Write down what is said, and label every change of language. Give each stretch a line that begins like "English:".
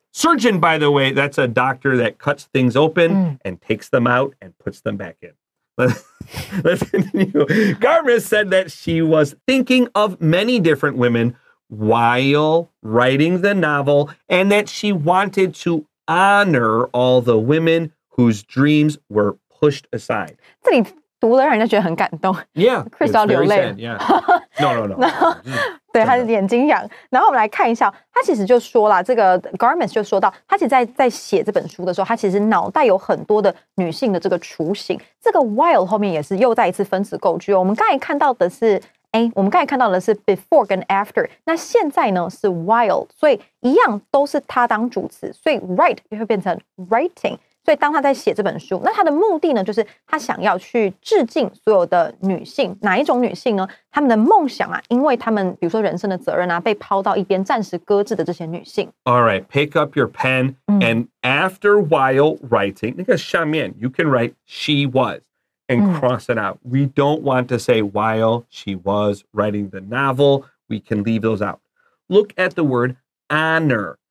English: Surgeon, by the way, that's a doctor that cuts things open and takes them out and puts them back in. Let's continue. Garmus said that she was thinking of many different women. While writing the novel, and that she wanted to honor all the women whose dreams were pushed aside.
Chinese: 这里读了让人家觉得很感动。 Yeah, Chris 要流泪。
English: Yeah, no.
Chinese: 对，他眼睛痒。然后我们来看一下，他其实就说了，这个 Garmus 就说到，他其实在写这本书的时候，他其实脑袋有很多的女性的这个雏形。这个 while 后面也是又再一次分词构句哦。我们刚才看到的是。哎，我们刚才看到的是 before 跟 after， 那现在呢是 while， 所以一样都是他当主词，所以 write 也会变成 writing，所以当他在写这本书，那他的目的呢，就是他想要去致敬所有的女性，哪一种女性呢？他们的梦想啊，因为他们比如说人生的责任啊，被抛到一边，暂时搁置的这些女性。
English: All right, pick up your pen and after while writing,
Chinese: 那个下面
English: you can write she was and cross it out. We don't want to say while she was writing the novel. We can leave those out. Look at the word honor.